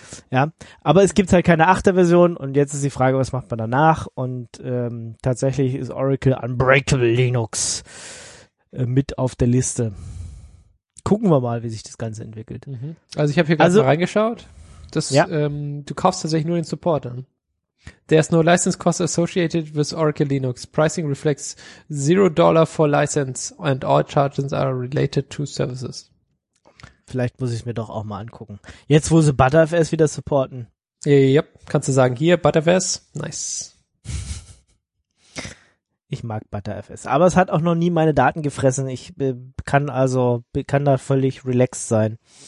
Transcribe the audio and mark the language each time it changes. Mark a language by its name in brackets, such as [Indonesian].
[German] Ja, aber es gibt halt keine 8er Version und jetzt ist die Frage, was macht man danach? Und tatsächlich ist Oracle Unbreakable Linux mit auf der Liste. Gucken wir mal, wie sich das Ganze entwickelt. Also ich habe hier gerade mal reingeschaut. Du kaufst tatsächlich nur den Support an. [English] There's no license cost associated with Oracle Linux. Pricing reflects $0 for license and all charges are related to services. [German] Vielleicht muss ich es mir doch auch mal angucken. Jetzt, wo sie ButterFS wieder supporten. Yep, kannst du sagen, hier, ButterFS, nice. Ich mag ButterFS, aber es hat auch noch nie meine Daten gefressen. Ich kann da völlig relaxed sein.